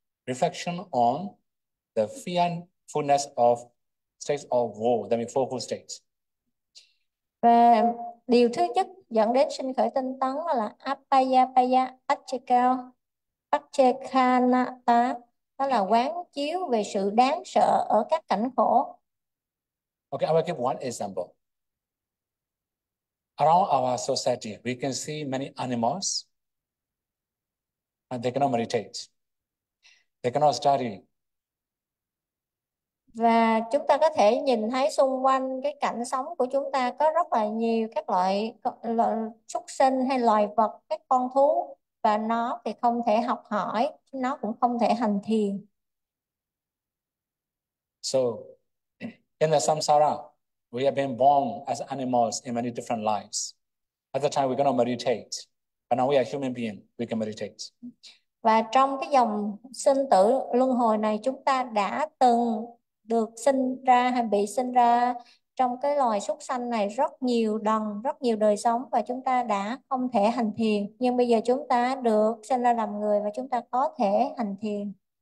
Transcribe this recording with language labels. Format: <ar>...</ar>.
<en>Reflection on the fearfulness of states of woe, the fearful states.</en> <vi>Và điều thứ nhất dẫn đến sinh khởi tinh tấn là apaya paya achikao achekhanata, đó là quán chiếu về sự đáng sợ ở các cảnh khổ.</vi> <en>Okay, I will give one example. Around our society, we can see many animals and they cannot meditate. They cannot study.</en> <vi>Và chúng ta có thể nhìn thấy xung quanh cái cảnh sống của chúng ta có rất là nhiều các loại súc sinh hay loài vật, các con thú, và nó thì không thể học hỏi, nó cũng không thể hành thiền.</vi> <en>So, in the samsara, we have been born as animals in many different lives. At the time, we cannot meditate. But now we are human beings, we can meditate.</en> <vi>Và trong cái dòng sinh tử luân hồi này, chúng ta đã từng được sinh ra hay bị sinh ra trong cái loài súc sanh này rất nhiều lần, rất nhiều đời sống, và chúng ta đã không thể hành thiền. Nhưng bây giờ chúng ta được sinh ra làm người và chúng ta có thể hành thiền.</vi>